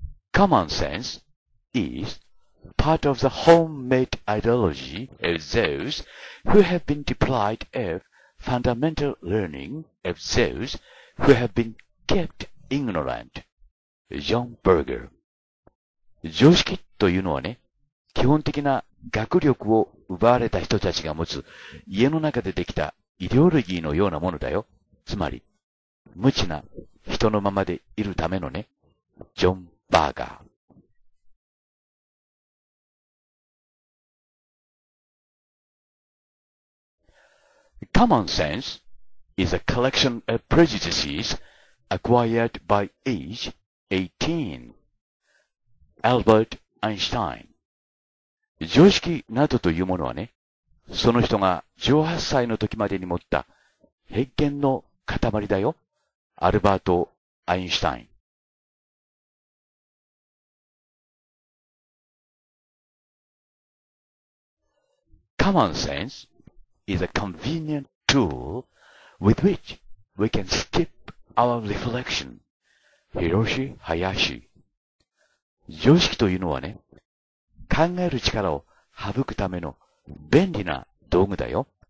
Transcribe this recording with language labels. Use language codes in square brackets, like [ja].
[en] Common sense is part of the homemade ideology of those who have been deprived of fundamental learning of those who have been kept ignorant. John Berger. [ja] 常識というのはね、基本的な学力を奪われた人たちが持つ家の中でできたイデオロギーのようなものだよ。つまり、無知な人のままでいるためのね、ジョン・バーガー。 [en] Common sense is a collection of prejudices acquired by age 18. Albert Einstein。 [ja] 常識などというものはね、その人が18歳の時までに持った偏見の塊だよ。アルバート・アインシュタイン。 [en] Common sense is a convenient tool with which we can skip our reflection. Hiroshi Hayashi。 [ja] 常識というのはね、考える力を省くための便利な道具だよ。